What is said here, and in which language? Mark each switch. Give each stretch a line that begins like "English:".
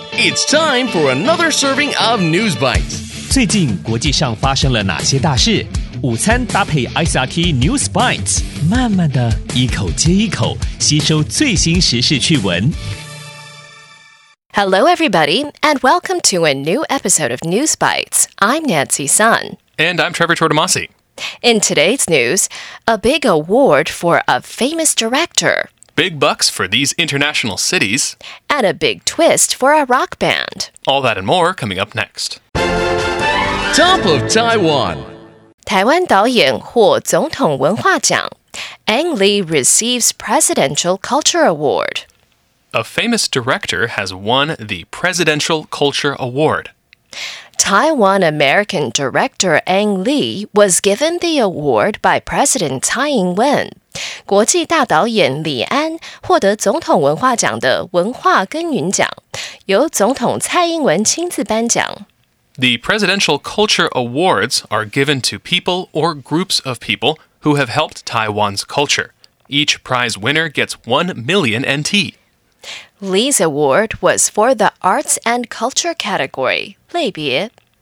English: It's time for another serving of News Bites.
Chinese: 最近国际上发生了哪些大事？午餐搭配 ICRT News Bites， 慢慢的一口接一口，吸收最新时事趣闻。
English: Hello, everybody, and welcome to a new episode of News Bites. I'm Nancy Sun. And I'm Trevor Tortomasi. In today's news, a big award for a famous director. Big bucks for these international cities. And a big twist for a rock band. All that and more coming up next. Top of Taiwan.
Chinese: 台湾导演获总统文化奖。
English: Ang Lee receives Presidential Culture Award. A famous director has won the Presidential Culture Award. Taiwan-American director Ang Lee was given the award by President Tsai Ing-wen.
Chinese: 国际大导演李安获得总统文化奖的文化耕耘奖，由总统蔡英文亲自颁奖。
English: The Presidential Culture Awards are given to people or groups of people who have helped Taiwan's culture. Each prize winner gets 1 million NT. Lee's award was for the arts and culture category,
Chinese: 类别。